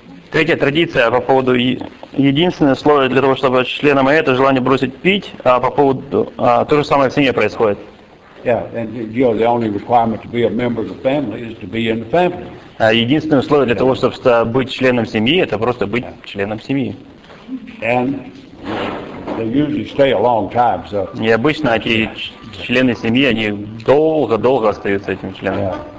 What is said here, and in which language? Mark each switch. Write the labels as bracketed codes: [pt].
[ru] Третья традиция по поводу единственное слово для того, чтобы члена моей, это желание бросить пить. А по поводу то же самое в семье происходит. [en] Yeah, and you know the only requirement to be a member of the family is to be in the family. [ru] Единственное условие для того, чтобы быть членом семьи, это просто быть членом семьи. [en] And they usually stay a long time, so. [ru] И обычно эти члены семьи, они долго-долго остаются этим членом.